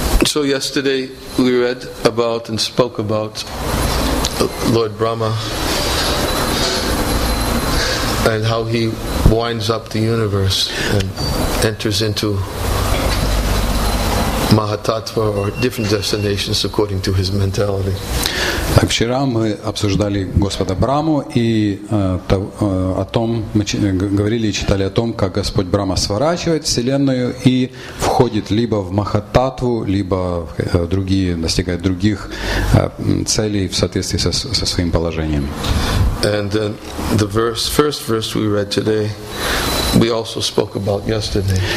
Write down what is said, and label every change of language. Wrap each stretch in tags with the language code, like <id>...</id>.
<en>So yesterday we read about and spoke about Lord Brahma and how he winds up the universe and enters into Mahatattva or different destinations according to his mentality.</en> <ru>Так вчера мы обсуждали Господа Браму и о том, мы говорили и читали о том, как Господь Брама сворачивает Вселенную и входит либо в Махататву, либо в другие, достигает других целей в соответствии со своим положением.</ru> <en>And the verse, first verse we read today, we also spoke about yesterday.</en>